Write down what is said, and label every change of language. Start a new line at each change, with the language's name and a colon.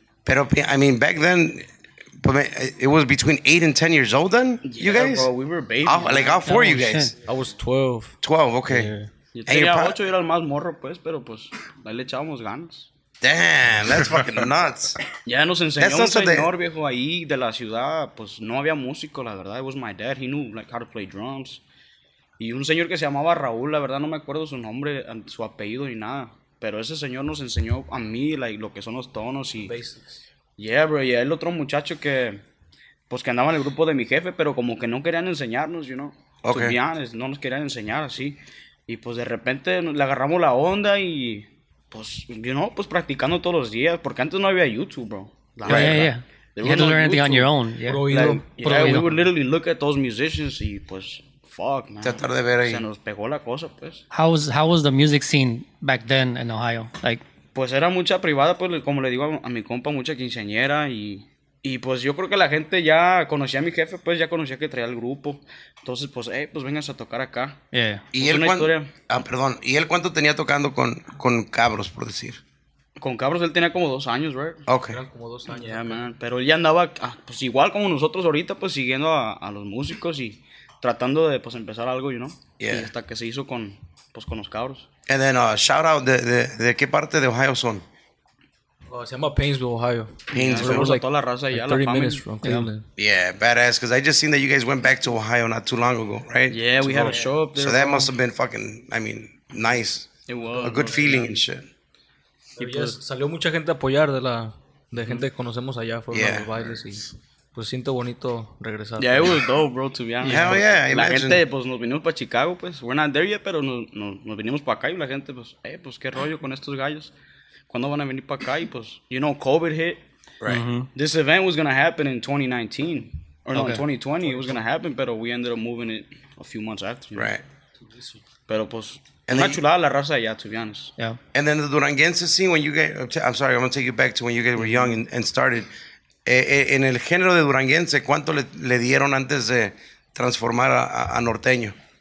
English: Pero, I mean, back then, it was between 8 and 10 years old then, you guys? Yeah, bro, we were babies. You guys? I was 12. 12, okay.
Spanish: Yeah. Yo tenía 8, yo era el más morro, pues, pero, pues, ahí le echábamos ganas.
English: Damn, that's fucking nuts.
Spanish: Ya nos enseñó un señor viejo ahí de la ciudad, pues, no había músico, la verdad.
English: It was my dad, he knew, like, how to play drums.
Spanish: Y un señor que se llamaba Raúl, la verdad, no me acuerdo su nombre, su apellido ni nada. Pero ese señor nos enseñó a mí, like, lo que son los tonos y...
English: Basics.
Spanish: Yeah, bro, y el otro muchacho que... Pues que andaba en el grupo de mi jefe, pero como que no querían enseñarnos, you know.
English: Okay. To be honest,
Spanish: no nos querían enseñar, así. Y pues de repente le agarramos la onda y... Pues, you know, pues practicando todos los días. Porque antes no había YouTube, bro.
English: You had to learn anything on your own. We would literally look at those musicians
Spanish: y pues...
English: Fuck, man.
Spanish: Tratar de ver ahí. Se nos pegó la cosa, pues.
English: How was the music scene back then in Ohio? Like,
Spanish: pues era mucha privada, pues como le digo a mi compa, mucha quinceañera y pues yo creo que la gente ya conocía a mi jefe, pues ya conocía que traía el grupo. Entonces, pues, pues vengas a tocar acá.
English: Yeah.
Spanish: Y pues él una historia. ¿Y él cuánto tenía tocando con cabros, por decir? Con cabros él tenía como 2 años, right?
English: Okay.
Spanish: Eran como 2 años.
English: Yeah, man.
Spanish: Pero él ya andaba, pues igual como nosotros ahorita, pues siguiendo a los músicos y tratando de, pues, empezar algo, you know?
English: Yeah.
Spanish: Y hasta que se hizo con, pues, con los cabros.
English: And then shout out,
Spanish: ¿de qué parte de Ohio son? Se llama Painesville, Ohio. Painesville.
English: Yeah, so like 30 la minutes from Cleveland. Yeah, yeah, badass, because I just seen that you guys went back to Ohio not too long ago, right? Yeah, we had a show up there. So that must have been fucking, I mean, nice. It was. A good feeling and shit.
Spanish: Y pues salió mucha gente a apoyar de la de gente que conocemos allá, fueron los bailes y pues siento bonito regresar.
English: Yeah, it was dope, bro, to be honest. Hell yeah,
Spanish: la gente pues nos vinimos para Chicago, pues
English: we're not there yet,
Spanish: pero nos vinimos para acá y la gente pues, pues qué rollo con estos gallos. ¿Cuándo van a venir para acá? Y pues,
English: you know, COVID hit. Right. Mm-hmm. This event was going to happen in 2019. Or no, okay. 2020. It was going to happen, pero we ended up moving it a few months after. You right.
Spanish: Know? Pero pues, and una chulada la raza allá,
English: to be honest. Yeah. And then the duranguense scene, when you get, I'm sorry, I'm going to take you back to when you guys were young and started.
Spanish: En el género de duranguense, ¿cuánto le dieron antes de transformar a norteño?